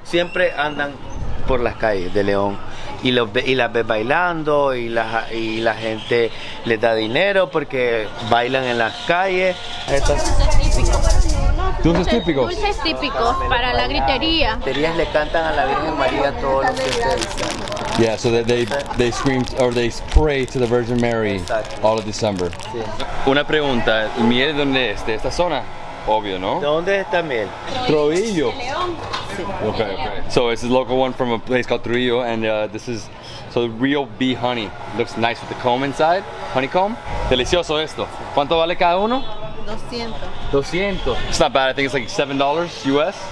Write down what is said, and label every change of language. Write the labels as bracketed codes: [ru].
[es] Siempre andan por las calles de León y las ves bailando y la gente les da dinero porque bailan en las calles. Estos dulces típicos. ¿Dulces típicos? Dulces típicos para la gritería. Griterías le cantan a la Virgen María todos los días. [en] Yeah, so that they scream or they pray to the Virgin Mary all of December. [es] Sí. Una pregunta, ¿miel dónde es? ¿De esta zona? Obvio, ¿no? ¿De dónde está miel? Trujillo. De León. [en] Okay. So this is a local one from a place called Trujillo, and this is So real bee honey. Looks nice with the comb inside. Honeycomb. [es] Delicioso esto. ¿Cuánto vale cada uno? 200. [en] It's not bad. I think it's like $7 US.